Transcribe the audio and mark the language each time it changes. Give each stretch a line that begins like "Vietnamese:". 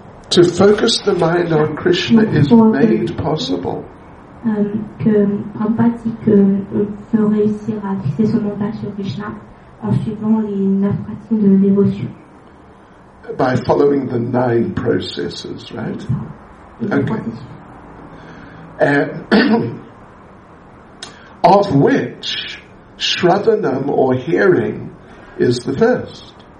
English: to focus the mind on Krishna is made possible.
French: Que Prabhupada dit qu'on peut réussir à fixer son mental sur Krishna en suivant les neuf pratiques de dévotion.
English: By following the nine processes, right? Okay. of which, shravanam or hearing is the first.